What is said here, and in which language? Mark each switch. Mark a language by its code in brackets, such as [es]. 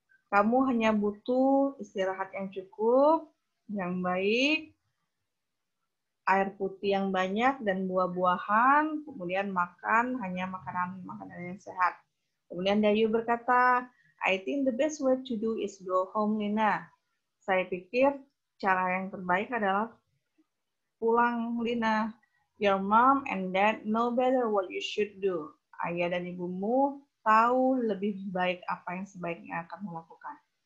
[id] Kamu hanya butuh istirahat yang cukup, yang baik, air putih yang banyak, dan buah-buahan. Kemudian makan hanya makanan-makanan yang sehat. Kemudian Dayu berkata, [en] I think the best way to do is go home, Lina. [id] Saya pikir cara yang terbaik adalah pulang, Lina. [en] Your mom and dad know better what you should do. [id] Ayah dan ibumu tahu lebih baik apa yang sebaiknya kamu lakukan.